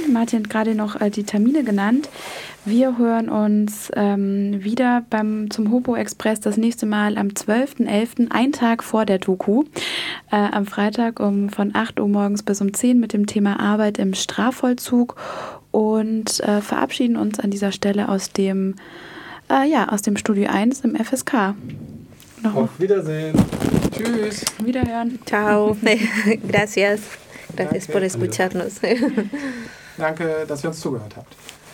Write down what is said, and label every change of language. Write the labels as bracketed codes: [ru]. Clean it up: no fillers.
[de] Martin hat gerade noch die Termine genannt. Wir hören uns wieder zum Hopo Express das nächste Mal am 12.11., ein Tag vor der Doku, am Freitag von 8 Uhr morgens bis um 10 Uhr mit dem Thema Arbeit im Strafvollzug und verabschieden uns an dieser Stelle aus dem Studio 1 im FSK. Noch auf Wiedersehen. Tschüss. Wiederhören. [it] Ciao. [es] Gracias. Gracias por escucharnos. [de] Danke, dass ihr uns zugehört habt.